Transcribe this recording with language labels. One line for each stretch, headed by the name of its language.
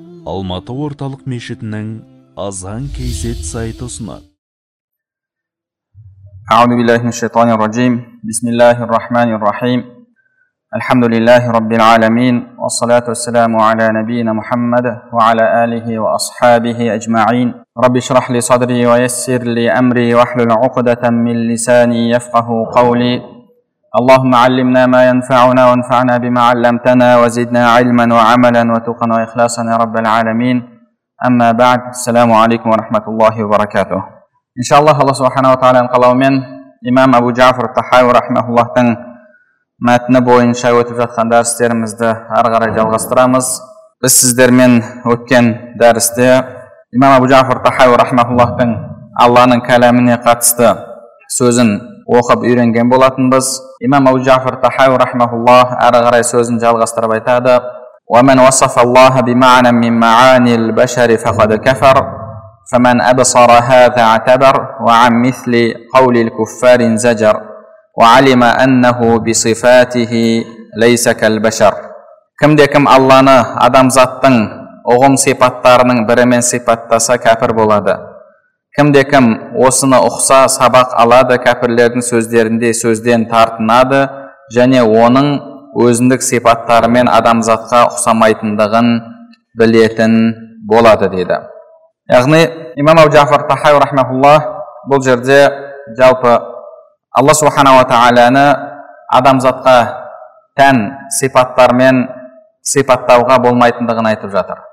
Kazakh: Алматы орталық мешітінің Азан KZ сайты ұсынады.
Arabic: أعوذ بالله من الشيطان الرجيم بسم الله الرحمن الرحيم الحمد لله رب العالمين والصلاة والسلام على نبينا محمد وعلى آله وأصحابه أجمعين رب اشرح لي صدري ويسر لي أمري واحلل عقدة من لساني يفقه قولي اللهم علمنا ما ينفعنا وانفعنا بما علمتنا وزدنا علما وعملا وتقنا وإخلاصا يا رب العالمين أما بعد السلام عليكم ورحمة الله وبركاته
Kazakh: иншааллах алла субханала тағаланың қалауымен имам абу жафр тахауи рахмаллахтың мәтіні бойынша өтіп жатқан дәрістерімізді ары қарай жалғастырамыз. Біз сіздермен өткен дәрісте имам абу жафр тахауи рахмаллахтың алланың кәләміне қатысты сөзін оқып үйренген болатынбыз. Имам абу жафр тахауи рахмаллах ары қарай сөзін жалғастырып айтады:
Arabic: وَمَنْ وَصَفَ اللَّهَ بِمَعْنًى مِنْ مَعَانِي الْبَشَرِ فَقَدْ كَفَرَ فَمَنْ أَبْصَرَ هَذَا اَعْتَبَرْ وَعَمْ مِثْلِ قَوْلِ الْكُفَّارِ زَجَرْ وَعَلِمَ أَنَّهُ بِصِفَاتِهِ لَيْسَ كَالْبَشَرْ
Kazakh: Кімде-кім Алланы адамзаттың ұғым сипаттарының бірімен сипаттаса, кәпір болады. Кімде-кім осыны ұқса, сабақ алады, кәпірлердің сөздерінде сөзден тартынады, және оның өзіндік сипаттарымен адамзатқа ұқсамайтындығын білетін болады, дейді. Яғни имам абу жафр тахауи рахмаһуллах бұл жерде жалпы алла субханала тағаланы адамзатқа тән сипаттармен сипаттауға болмайтындығын айтып жатыр.